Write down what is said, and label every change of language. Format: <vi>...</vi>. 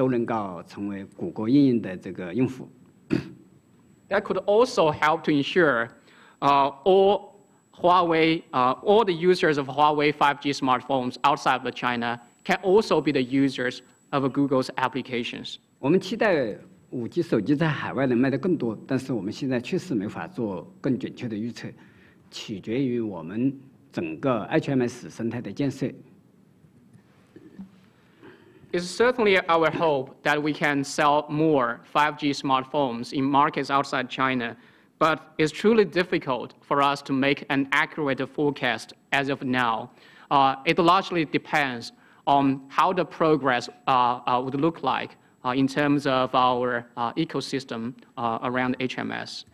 <zh>是华为在海外的所有5G手机都能够成为谷歌应用的这个用户。</zh> <en>That could also help to ensure all the users of Huawei 5G smartphones outside of China can also be the users of Google's applications.</en> <zh>我们期待5G手机在海外能卖得更多，但是我们现在确实没法做更准确的预测，取决于我们整个 HMS 生态的建设。</zh> <en>It's certainly our hope that we can sell more 5G smartphones in markets outside China, but it's truly difficult for us to make an accurate forecast as of now. It largely depends on how the progress would look like in terms of our ecosystem around HMS.</en>